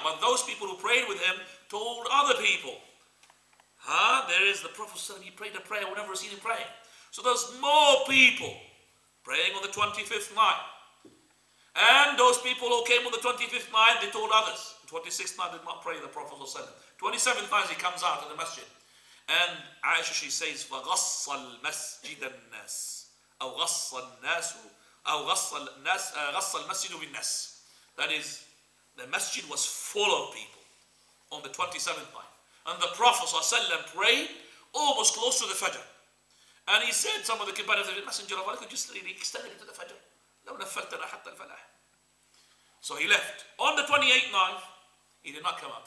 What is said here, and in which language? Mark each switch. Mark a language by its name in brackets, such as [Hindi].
[English] But those people who prayed with him told other people, there is the Prophet ﷺ, he prayed a prayer, we've never seen him praying. So there's more people praying on the 25th night. And those people who came on the 25th night, they told others. 26th night, they did not pray the Prophet ﷺ. 27th night, he comes out of the masjid. And Aisha, she says, [Arabic] فَغَصَّ الْمَسْجِدَ النَّاسِ أَوْ غَصَّ النَّاسُ أَوْ غَصَّ الْمَسْجِدُ بِالنَّاسِ. [English] That is, the masjid was full of people on the 27th night. And the Prophet ﷺ prayed almost close to the Fajr. And he said, some of the companions of the Messenger of Allah could just really extend it into the Fajr. [Arabic] لَوْ نَفَّلْتَنَا حَتَّى الْفَلَاحِ. [English] So he left. On the 28th night, He did not come up.